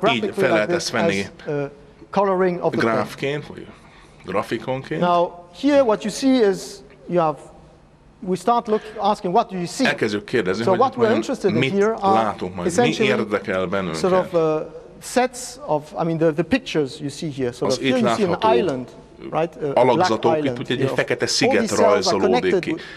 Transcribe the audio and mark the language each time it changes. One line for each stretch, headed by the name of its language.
Hungarian: Én így fel lehet ezt venni gráfként, vagy grafikonként.
English: Now here what you see is you have we start asking what do you see.
Hungarian: Elkezdjük kérdezni, hogy
English: what we're interested in here
Hungarian: are mi érdekel bennünket.
English: Sort of sets of the pictures you see here. So here you see an island, right?
Hungarian: Alakzatok, itt ugye egy fekete sziget rajzolódik ki.